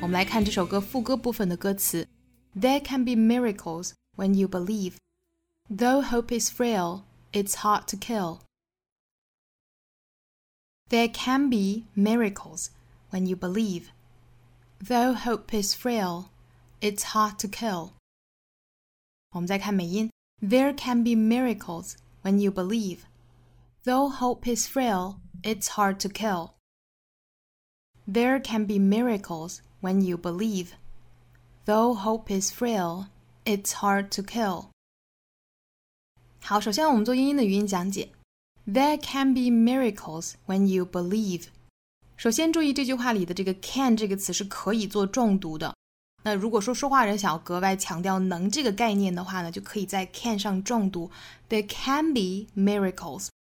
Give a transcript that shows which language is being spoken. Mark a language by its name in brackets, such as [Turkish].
[Chinese] 我们来看这首歌副歌部分的歌词。 [English] There can be miracles when you believe, though hope is frail. It's hard to kill. There can be miracles when you believe. Though hope is frail, it's hard to kill. [Chinese] 我们再看美音。 [English] There can be miracles when you believe. Though hope is frail, it's hard to kill. There can be miracles when you believe. Though hope is frail, it's hard to kill. [Chinese] 好，首先我们做英音的语音讲解。 [English] There can be miracles when you believe. [Chinese] 首先注意这句话里的这个 can 这个词是可以做重读的。那如果说说话人想要格外强调能这个概念的话呢，就可以在 can 上重读 [English] There can be miracles.